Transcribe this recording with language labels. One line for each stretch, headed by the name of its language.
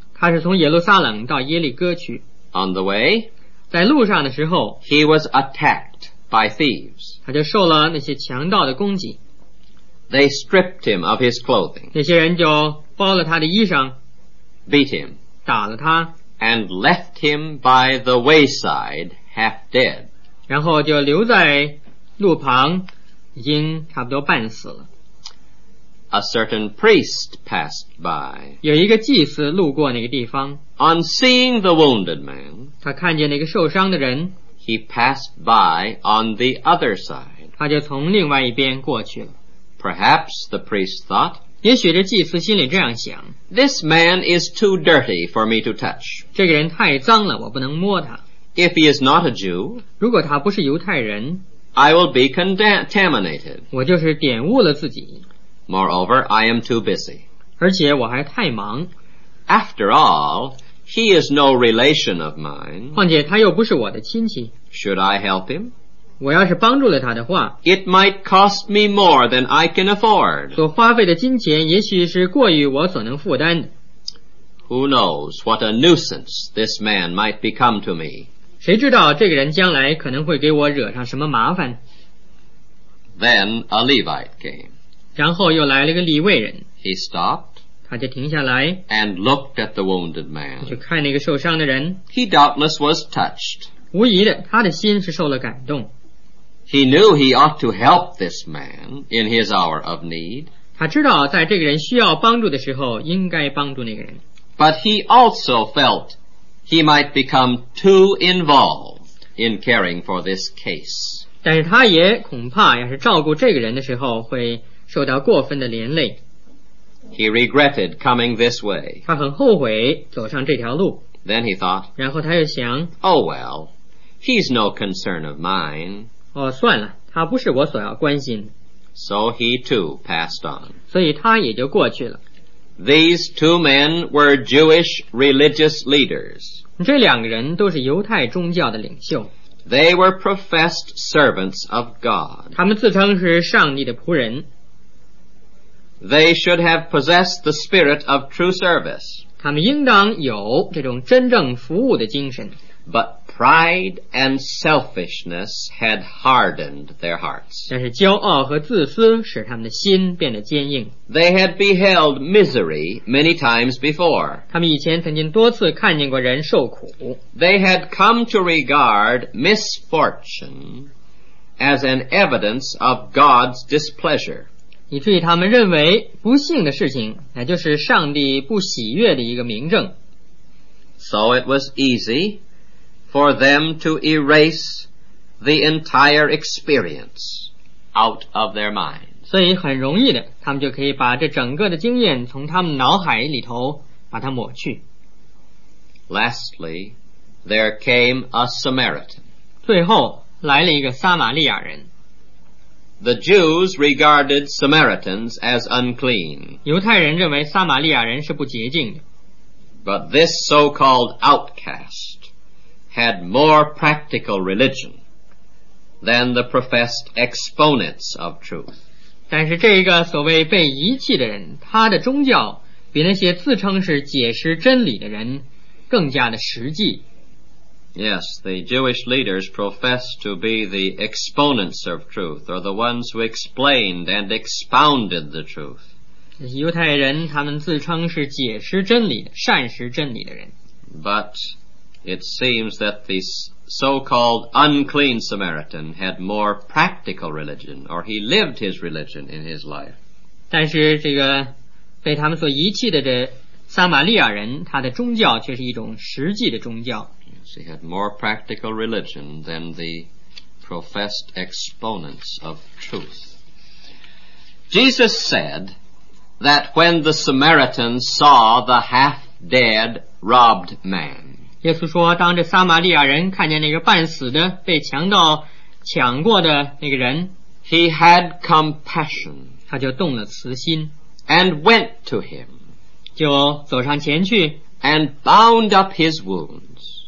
Chinese: 他是从耶路撒冷到耶利哥去。
English: On the way,
Chinese: 在路上的时候，
English: he was attacked by thieves.
Chinese: 他就受了那些强盗的攻击。
English: They stripped him of his clothing.
Chinese: 那些人就剥了他的衣裳。
English: Beat him.
Chinese: 打了他。
English: And left him by the wayside, half dead.
Chinese: 然后就留在路旁，已经差不多半死了。
English: A certain priest passed by.
Chinese: 有一个祭司路过那个地方。
English: On seeing the wounded man,
Chinese: 他看见那个受伤的人，
English: he passed by on the other side.
Chinese: 他就从另外一边过去了。
English: Perhaps the priest thought,
Chinese: 也许这祭司心里这样想，
English: This man is too dirty for me to touch.
Chinese: 这个人太脏了，我不能摸他。
English: If he is not a Jew,
Chinese: 如果他不是犹太人，
English: I will be contaminated.
Chinese: 我就是玷污了自己。
English: Moreover, I am too busy.
Chinese: 而且我还太忙。
English: After all, he is no relation of mine.
Chinese: 况且他又不是我的亲戚。
English: Should I help him?
Chinese: 我要是帮助了他的话，
English: It might cost me more than I can afford.
Chinese: 所花费的金钱也许是过于我所能负担的。
English: Who knows what a nuisance this man might become to me?
Chinese: 谁知道这个人将来可能会给我惹上什么麻烦？
English: Then a Levite came.
Chinese: 然后又来了个利未人。
English: He stopped.
Chinese: 他就停下来。
English: And looked at the wounded man.
Chinese: 就看那个受伤的人。
English: He doubtless was touched.
Chinese: 无疑的，他的心是受了感动。
English: He knew he ought to help this man in his hour of need.
Chinese: 他知道在这个人需要帮助的时候，应该帮助那个人。
English: But he also felt he might become too involved in caring for this case.
Chinese: 但是他也恐怕要是照顾这个人的时候会受到过分的连累。
English: He regretted coming this way.
Chinese: 他很后悔走上这条路。
English: Then he thought,
Chinese: 然后他又想，
English: Oh well, he's no concern of mine.
Chinese: 哦，算了，他不是我所要关心。
English: So he too passed on.
Chinese: 所以他也就过去了。
English: These two men were Jewish religious leaders.
Chinese: 这两个人都是犹太宗教的领袖。
English: They were professed servants of God.
Chinese: 他们自称是上帝的仆人。
English: They should have possessed the spirit of true service.
Chinese: 他们应当有这种真正服务的精神。
English: But pride and selfishness had hardened their hearts.
Chinese: 但是骄傲和自私使他们的心变得坚硬。
English: They had beheld misery many times before.
Chinese: 他们以前曾经多次看见过人受苦。
English: They had come to regard misfortune as an evidence of God's displeasure.
Chinese: 以至于他们认为不幸的事情，那就是上帝不喜悦的一个明证。
English: So it was easy for them to erase the entire experience out of their mind.
Chinese: 所以很容易的，他们就可以把这整个的经验从他们脑海里头把它抹去。
English: Lastly, there came a Samaritan.
Chinese: 最后来了一个撒玛利亚人。
English: The Jews regarded Samaritans as unclean.
Chinese: 犹太人认为撒玛利亚人是不洁净的。
English: But this so-called outcast had more practical religion than the professed exponents of truth.
Chinese: 但是这个所谓被遗弃的人，他的宗教比那些自称是解释真理的人更加的实际。
English: Yes, the Jewish leaders professed to be the exponents of truth, or the ones who explained and expounded the truth.
Chinese: 犹太人他们自称是解释真理的，善识真理的人。
English: ButIt seems that the so-called unclean Samaritan had more practical religion, or he lived his religion in his life.
Chinese: 但是这个被他们所遗弃的这撒玛利亚人，他的宗教却是一种实际的宗教。
English: Yes, he had more practical religion than the professed exponents of truth. Jesus said that when the Samaritan saw the half-dead robbed man,
Chinese: 耶稣说，当这撒玛利亚人看见那个半死的被强盗抢过的那个人，
English: He had compassion,
Chinese: 他就动了慈心，
English: and went to him,
Chinese: 就走上前去，
English: and bound up his wounds,